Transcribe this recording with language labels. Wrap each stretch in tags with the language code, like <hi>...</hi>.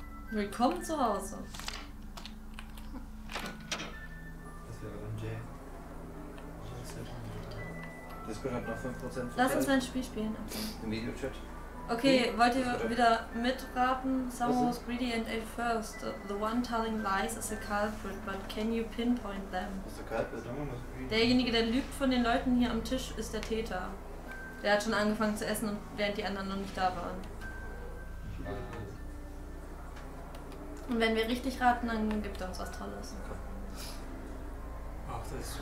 <de>Willkommen zu Hause. Das gehört noch 5%. Lass uns ein Spiel spielen. Okay. Im Videochat. Okay, nee, wollt ihr wieder mitraten?</de> <en>Someone was greedy and ate first. The one telling lies is a culprit, but can you pinpoint them?</en> <de>Was ist der Culprit?</de> <en>Someone was greedy.</en> <de>Derjenige, der lügt von den Leuten hier am Tisch, ist der Täter. Der hat schon angefangen zu essen, während die anderen noch nicht da waren. Und wenn wir richtig raten, dann gibt er uns was Tolles. Ach, das ist so</de>